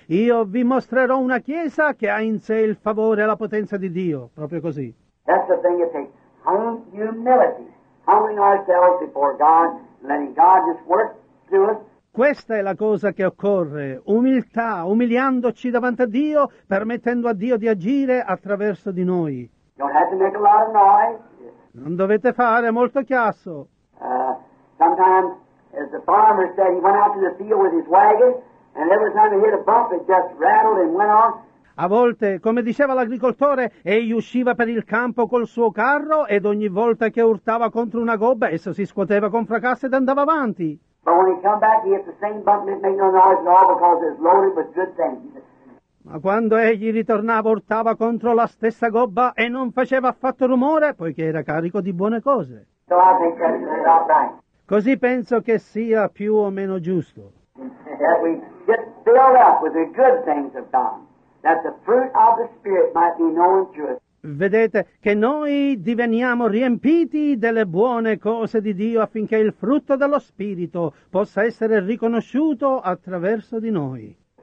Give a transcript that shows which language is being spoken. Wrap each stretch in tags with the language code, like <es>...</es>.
<it>Io vi mostrerò una chiesa che ha in sé il favore e la potenza di Dio, proprio così.</it> <en>That's the thing it takes. Humility. Humbling ourselves before God, letting God just work through us.</en> <it>Questa è la cosa che occorre, umiltà, umiliandoci davanti a Dio, permettendo a Dio di agire attraverso di noi.</it> <en>Don't have to make a lot of noise.</en> <it>Non dovete fare molto chiasso.</it> <en>Sometimes, as the farmer said, he went out to the field with his wagon, and every time he hit a bump, it just rattled and went off.</en> <it>A volte, come diceva l'agricoltore, egli usciva per il campo col suo carro, ed ogni volta che urtava contro una gobba, esso si scuoteva con fracasso ed andava avanti.</it> <en>But when he come back, he hit the same bump and it made no noise at all because it's loaded with good things.</en> <it>Ma quando egli ritornava, urtava contro la stessa gobba e non faceva affatto rumore, poiché era carico di buone cose.</it> <en>So I think that is about right.</en> <it>Così penso che sia più o meno giusto.</it> <en>That we get filled up with the good things of God, that the fruit of the Spirit might be known to us.</en> <it>Vedete che noi diveniamo riempiti delle buone cose di Dio affinché il frutto dello Spirito possa essere riconosciuto attraverso di noi.</it>